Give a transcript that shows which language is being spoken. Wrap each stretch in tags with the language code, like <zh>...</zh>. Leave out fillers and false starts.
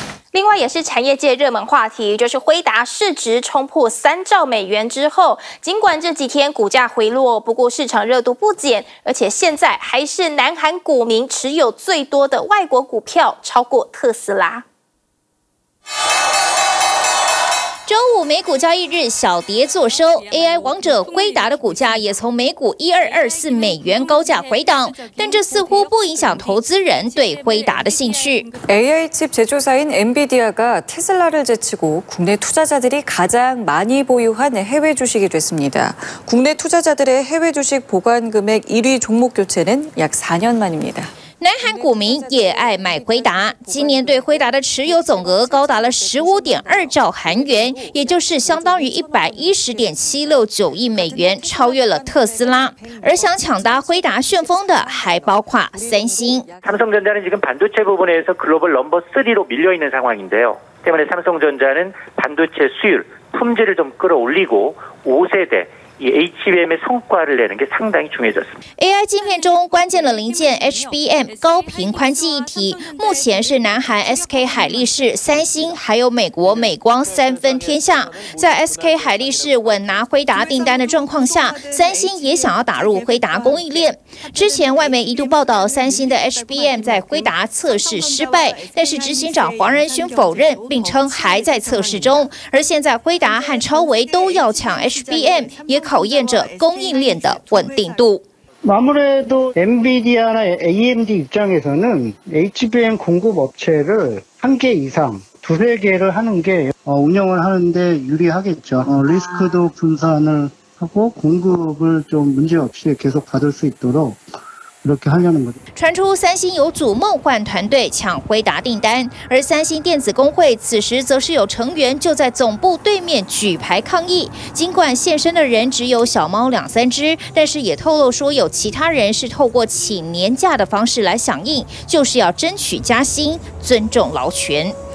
<zh>另外也是产业界热门话题，就是辉达市值冲破3兆美元之后，尽管这几天股价回落，不过市场热度不减，而且现在还是南韩股民持有最多的外国股票，超过特斯拉。周五美股交易日小跌作收 ，AI 王者辉达的股价也从每股1224美元高价回档，但这似乎不影响投资人对辉达的兴趣。</zh> <ko>AI 칩 제조사인 엔비디아 가 테슬라를 제치고 국내 투자자들이 가장 많이 보유한 해외 주식이 됐습니다。 국내 투자자들의 해외 주식 보관 금액 1위 종목 교체는 약 4년 만입니다。</ko> <zh>南韩股民也爱买辉达，今年对辉达的持有总额高达了15.2兆韩元，也就是相当于110.769亿美元，超越了特斯拉。而想抢搭辉达旋风的还包括三星。</zh> <ko>삼성전자는지금반도체부분에서글로벌넘버3로밀려있는상황인데요때문에삼성전자는반도체수율품질을좀끌어올리고5세대HBM 의성과를내는게상당히중요해졌습니다</ko> <zh>AI 晶片中关键的零件 HBM 高频宽记忆体，目前是南韩 SK 海力士、三星还有美国美光三分天下。在 SK 海力士稳拿辉达订单的状况下，三星也想要打入辉达供应链。之前外媒一度报道三星的 HBM 在辉达测试失败，但是执行长黄仁勋否认，并称还在测试中。而现在辉达和超微都要抢 HBM， 也考验着供应链的稳定度。</zh> <ko>아무래도 NVIDIA나AMD 입장에서는 HBM 공급업체를한개이상두세개를하는게운영을하는데유리하겠죠리스크도분산을하고공급을좀문제없이계속받을수있도록</ko> <zh>传出三星有组梦幻团队抢辉达订单，而三星电子工会此时则是有成员就在总部对面举牌抗议。尽管现身的人只有小猫2-3只，但是也透露说有其他人是透过请年假的方式来响应，就是要争取加薪，尊重劳权。</zh>